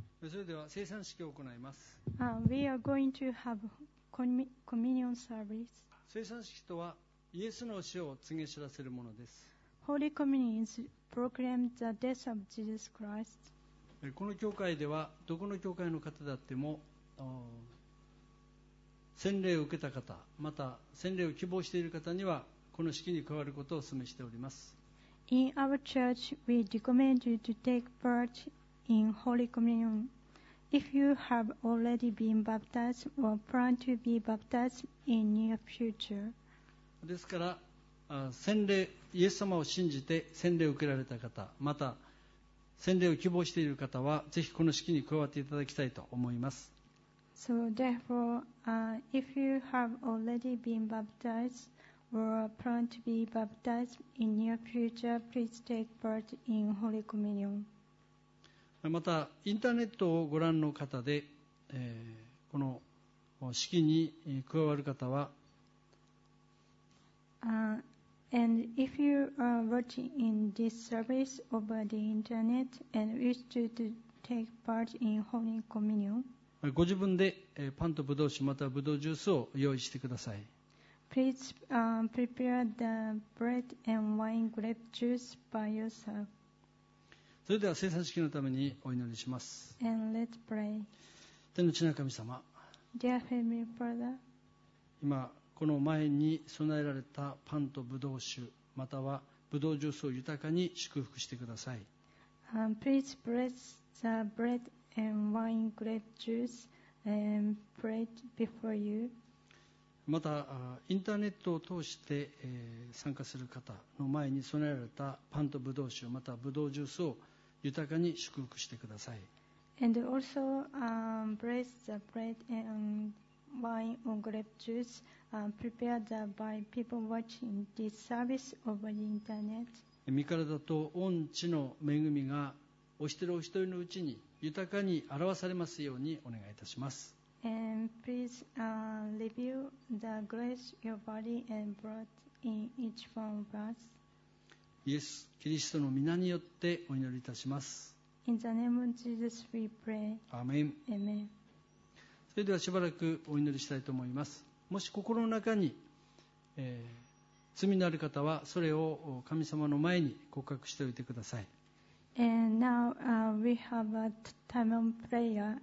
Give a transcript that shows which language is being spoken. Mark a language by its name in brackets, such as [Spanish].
[Japanese] それでは聖餐式を行います。 [English] We are going to have communion service. [Japanese] 聖餐式とはイエスの死を告げ知らせるものです。 [English] Holy communion is proclaim the death of Jesus Christ. [Japanese] この教会ではどこの教会の方であっても洗礼を受けた方、また洗礼を希望している方にはこの式に加わることをお勧めしております。 [English] In our church, we recommend you to take part in Holy Communion. If you have already been baptized or plan to be baptized in near future. [Japanese] ですから洗礼、イエス様を信じて洗礼を受けられた方、また洗礼を希望している方はぜひこの式に加わっていただきたいと思います。 [English] So therefore, if you have already been baptized or plan to be baptized in near future, please take part in Holy Communion. [Japanese] またインターネットをご覧の方で、この式に加わる方は、 [English] And if you are watching in this service over the internet and wish to take part in Holy Communion. [Japanese] ご自分でパンとブドウ酒またはブドウジュースを用意してください。 [English] Please, prepare the bread and wine grape juice by yourself. [Japanese] それでは聖餐式のためにお祈りします。 [English] And let's pray. [Japanese] 天の父なる神様、 [English] Dear Heavenly Father, [Japanese] 今この前に備えられたパンとブドウ酒またはブドウジュースを豊かに祝福してください。 [English] Please bless the bread and wine, grape juice, and prayed before you. [Japanese] またインターネットを通して参加する方の前に備えられたパンとブドウ酒またはブドウジュースを豊かに祝福してください。 [English] And also, bless the bread and wine or grape juice, prepared by people watching this service over the internet. [Japanese] 身体と御血の恵みがお一人お一人のうちに豊かに表されますようにお願いいたします。 [English] And please, review the grace your body and blood in each one of us. [Japanese] イエス・キリストの御名によってお祈りいたします。 [English] In the name of Jesus we pray. Amen. Amen. [Japanese] それではしばらくお祈りしたいと思います。もし心の中に、罪のある方はそれを神様の前に告白しておいてください。 [English] And now, we have a time of prayer.